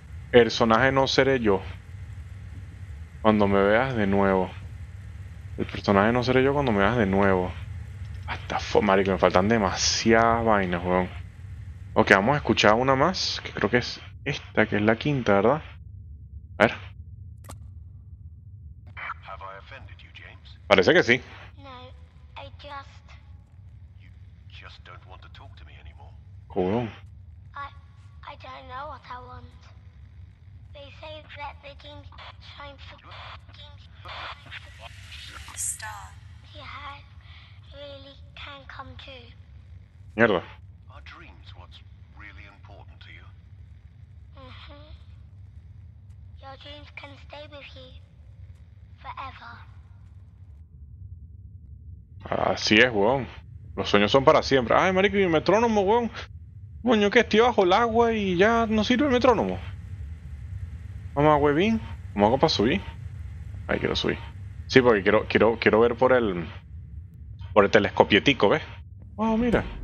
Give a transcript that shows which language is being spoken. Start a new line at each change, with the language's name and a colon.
Spanish: Personaje no seré yo. Cuando me veas de nuevo. El personaje no seré yo cuando me veas de nuevo. Hasta marico, me faltan demasiadas vainas, weón. Ok, vamos a escuchar una más. Que creo que es esta, que es la quinta, ¿verdad? A ver.
English: Have I offended you, James?
Spanish: Parece que sí.
English: No, I just... You just don't want to talk to me anymore.
Spanish: Weón.
English: I don't know what I want. They say that the king shines for... King... Star. Yeah. Really can come too.
Spanish: Mierda.
English: Are dreams what's really important to you? Mm-hmm. Your dreams can stay with you forever.
Spanish: Así es, weón. Los sueños son para siempre. Ay, marico, y el metrónomo, weón. Coño, que estoy bajo el agua y ya no sirve el metrónomo. Vamos a huevín. ¿Cómo hago para subir? Ahí quiero subir. Sí, porque quiero ver por el telescopietico, ¿ves? Wow, mira.